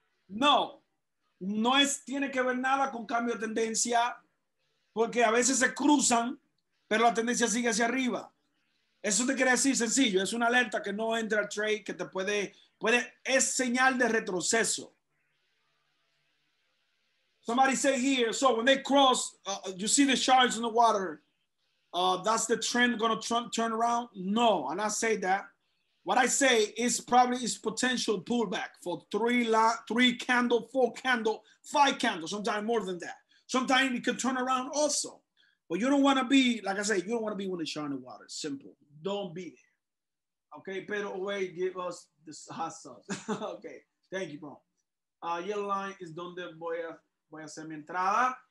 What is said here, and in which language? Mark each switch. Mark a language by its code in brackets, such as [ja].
[es] No es tiene que ver nada con cambio de tendencia. Porque a veces se cruzan, pero la tendencia sigue hacia arriba. Eso te quiere decir sencillo. Es una alerta que no entra al trade, que te puede, es señal de retroceso. [en] Somebody say here, so when they cross, you see the sharks in the water, that's the trend going to turn around? No, and I say that. What I say is probably is potential pullback for three candle, 4 candle, 5 candle, sometimes more than that. Sometimes it could turn around also. But you don't want to be, like I said, you don't want to be when it's shining water. Simple. Don't be there. Okay, Pedro, away, give us the hot sauce. Okay, thank you, bro. Yellow line is [es] donde voy a hacer mi entrada.